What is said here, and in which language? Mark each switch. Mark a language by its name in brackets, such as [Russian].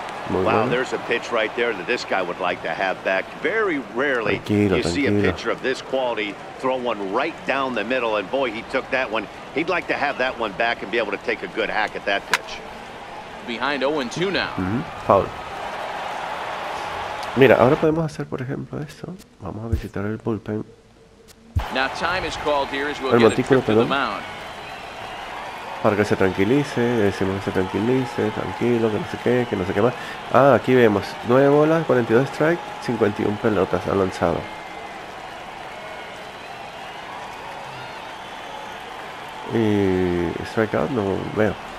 [English] Wow, there's a pitch right there that this guy would like to have back. Very rarely you see a pitcher of this quality throw one right down the middle, and boy, he took that one. He'd like to have that one back and be able to take a good hack at that pitch. Behind 0-2 now. Foul. [Spanish] Mira, ahora podemos hacer, por ejemplo, esto. Vamos a visitar el bullpen. [English] Now time is called here as we'll get a trip to the mound. [Spanish] Para que se tranquilice, decimos que se tranquilice, tranquilo, que no sé qué más. Ah, aquí vemos 9 bolas, 42 strikes, 51 pelotas han lanzado. Y strikeout no veo.